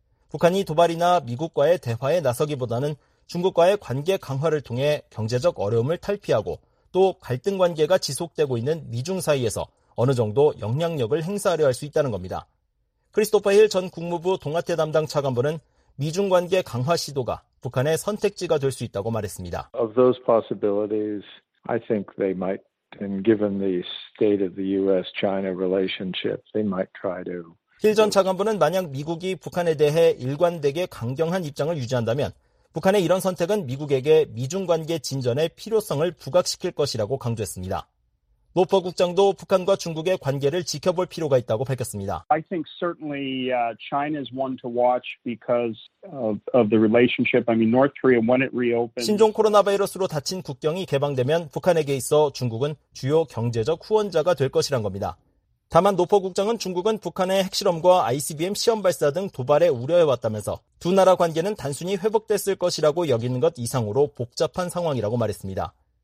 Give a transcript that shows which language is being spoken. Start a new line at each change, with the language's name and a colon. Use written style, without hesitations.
Korean: 북한이 도발이나 미국과의 대화에 나서기보다는 중국과의 관계 강화를 통해 경제적 어려움을 탈피하고 또 갈등 관계가 지속되고 있는 미중 사이에서 어느 정도 영향력을 행사하려 할 수 있다는 겁니다. 크리스토퍼 힐 전 국무부 동아태 담당 차관보는 미중 관계 강화 시도가 북한의 선택지가 될 수 있다고 말했습니다.
English: Of those possibilities, I think they might, and given the state of the U.S.-China relationship, they might try to.
Korean: 힐 전 차관보는 만약 미국이 북한에 대해 일관되게 강경한 입장을 유지한다면 북한의 이런 선택은 미국에게 미중 관계 진전의 필요성을 부각시킬 것이라고 강조했습니다. 노퍼 국장도 북한과 중국의 관계를 지켜볼 필요가 있다고 밝혔습니다.
English: I think certainly China is one to watch because of the relationship. I mean, North Korea, when it reopens.
Korean: 신종 코로나 바이러스로 닫힌 국경이 개방되면 북한에게 있어 중국은 주요 경제적 후원자가 될 것이란 겁니다. 다만 노퍼 국장은 중국은 북한의 핵실험과 ICBM 시험 발사 등 도발에 우려해왔다면서 두 나라 관계는 단순히 회복됐을 것이라고 여기는 것 이상으로 복잡한 상황이라고 말했습니다.